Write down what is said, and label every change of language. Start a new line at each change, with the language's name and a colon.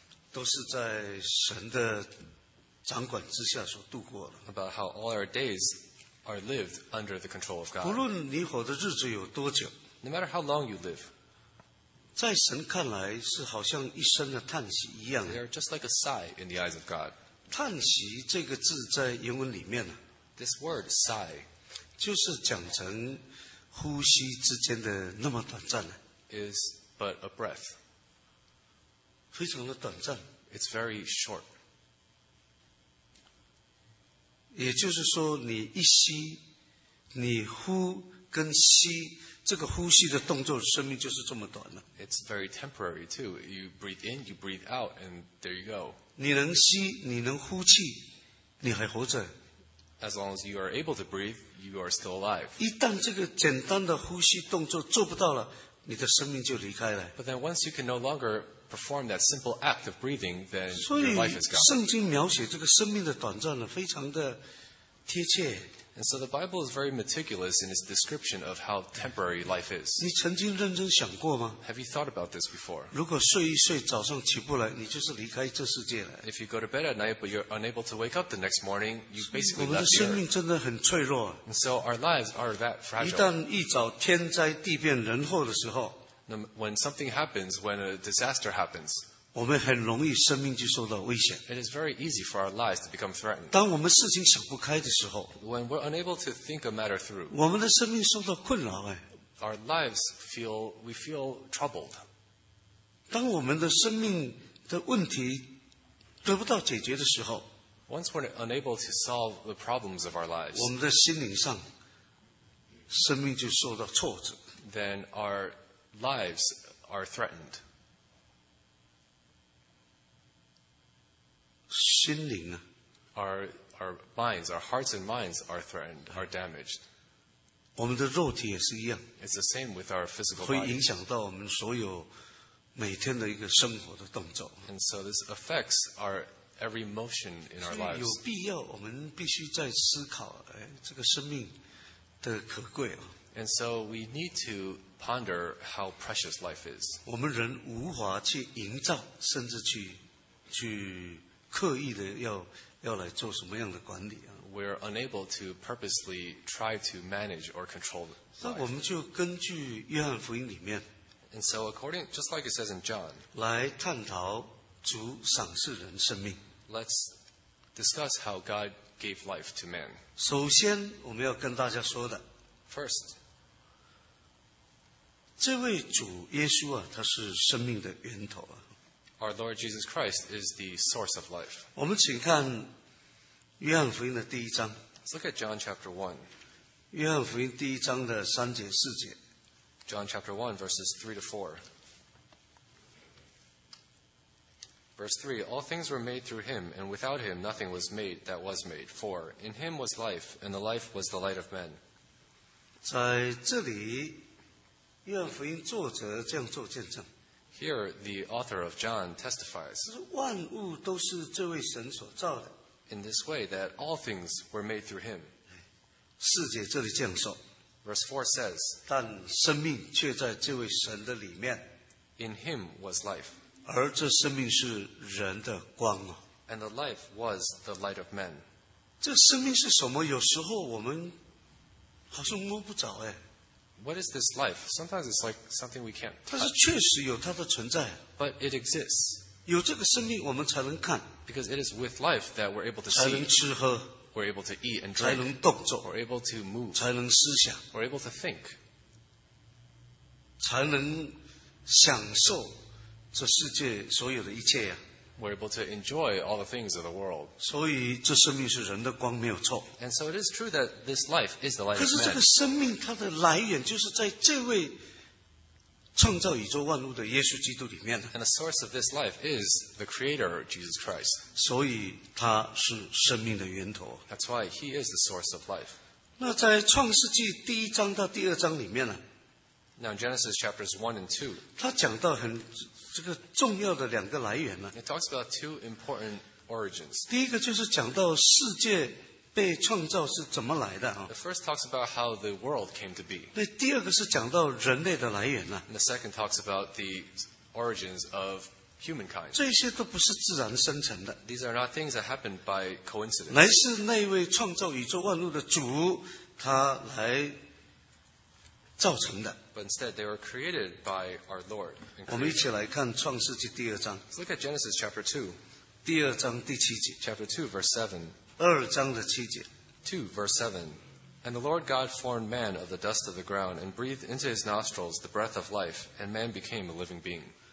Chinese: 都是在神的掌管之下所度过了
English: About how all our days are lived under the control of God.
Chinese: 不论你活的日子有多久
English: No matter how long you live.
Chinese: 在神看来是好像一声的叹息一样。
English: They are just like a sigh in the eyes of God.
Chinese: 叹息这个字在英文里面呢
English: ，This word sigh
Chinese: 就是讲成呼吸之间的那么短暂呢
English: ，Is but a breath.
Chinese: 非常的短暂。
English: It's very short.
Chinese: 也就是说，你一吸，你呼跟吸。这个呼吸的动作，生命就是这么短了。
English: It's very temporary too. You breathe in, you breathe out, and there you go.
Chinese: 你能吸，你能呼气，你还活着。
English: As long as you are able to breathe, you are still alive.
Chinese: 一旦这个简单的呼吸动作做不到了，你的生命就离开了。
English: But then once you can no longer perform that simple act of breathing, then your life is gone.
Chinese: 圣经描写这个生命的短暂呢，非常的贴切。
English: And so the Bible is very meticulous in its description of how temporary life is.
Chinese: 你曾经认真想过吗
English: Have you thought about this before?
Chinese: 如果睡一睡早上起不来你就是离开这世界了
English: If you go to bed at night but you're unable to wake up the next morning, you basically left here.
Chinese: 我们的生命真的很脆弱
English: And so our lives are that fragile.
Chinese: 一旦一早天灾地变人祸的时候
English: When something happens, when a disaster happens,
Chinese: 我们很容易生命就受到危险。
English: It is very easy for our lives to become threatened.
Chinese: 当我们事情想不开的时候
English: When we're unable to think a matter through,
Chinese: 我们的生命受到困扰哎。
English: Our lives feel, we feel troubled.
Chinese: 当我们的生命的问题得不到解决的时候
English: Once we're unable to solve the problems of our lives,
Chinese: 我们的心灵上生命就受到挫折。
English: Then our lives are threatened.
Chinese: 心灵啊
English: our minds, our hearts and minds are threatened, are damaged.
Chinese: 我们的肉体也是一样
English: It's the same with our physical body.
Chinese: 会影响到我们所有每天的一个生活的动作
English: And so this affects our every motion in our lives.
Chinese: 有必要我们必须在思考、哎、这个生命的可贵、啊、
English: And so we need to ponder how precious life is.
Chinese: 我们人无法去营造甚至去刻意的 要来做什么样的管理、啊、
English: We're unable to purposely try to manage or control life.
Chinese: 那我们就根据约翰福音里面
English: And so according, just like it says in John,
Chinese: 来探讨主赏赐人生命
English: Let's discuss how God gave life to man.
Chinese: 首先我们要跟大家说的
English: First,
Chinese: 这位主耶稣啊，他是生命的源头啊。
English: Our Lord Jesus Christ is the source of life.
Chinese: 我们请看约翰福音的第一章。
English: Let's look at John chapter 1.
Chinese: 约翰福音第一章的三节四节。
English: John chapter 1 verses 3 to 4. Verse 3, All things were made through him, and without him nothing was made that was made. 4, In him was life, and the life was the light of men.
Chinese: 在这里约翰福音作者这样做见证。
English: Here, the author of John testifies.
Chinese: 万物都是这位神所造的。
English: In this way, that all things were made through him.
Chinese: 四节这里这样说。
English: Verse 4 says,
Chinese: 但生命却在这位神的里面。
English: In him was life.
Chinese: 而这生命是人的光啊。
English: And the life was the light of men.
Chinese: 这生命是什么？有时候我们好像摸不着哎。
English: What is this life? Sometimes it's like something we can't touch.
Chinese: 它是确实有它的存在。
English: But it exists.
Chinese: 有这个生命我们才能看。
English: Because it is with life that we're able to see.
Chinese: 才能吃喝。
English: We're able to eat and drink.
Chinese: 才能动作。
English: We're able to move.
Chinese: 才能思想。
English: We're able to think.
Chinese: 才能享受这世界所有的一切啊。
English: We're able to enjoy all the things of the world.
Chinese: 所以这生命是人的光没有错。
English: And so it is true that this life is the light of man.
Chinese: 可是这个生命它的来源就是在这位创造宇宙万物的耶稣基督里面。
English: And the source of this life is the creator, Jesus Christ.
Chinese: 所以他是生命的源头。
English: That's why he is the source of life.
Chinese: 那在创世纪第一章到第二章里面呢？
English: Now in Genesis chapters 1 and 2,
Chinese: 他讲到很这个重要的两个来源呢。
English: It talks about two important origins.
Chinese: 第一个就是讲到世界被创造是怎么来的啊。
English: The first talks about how the world came to be.
Chinese: 那第二个是讲到人类的来源呢。
English: And the second talks about the origins of humankind.
Chinese: 这些都不是自然生成的。
English: These are not things that happened by coincidence.
Chinese: 乃是那位创造宇宙万物的主，他来造成的。
English: But instead, they were created by our Lord.
Chinese: 我们一起来看创世纪第二章。
English: Let's look at Genesis chapter 2.
Chinese: 第二章第七节。
English: Chapter 2, verse 7.
Chinese: 二章的七节。
English: 2, verse 7. And the Lord God formed man of the dust of the ground and breathed into his nostrils the breath of life, and man became a living being.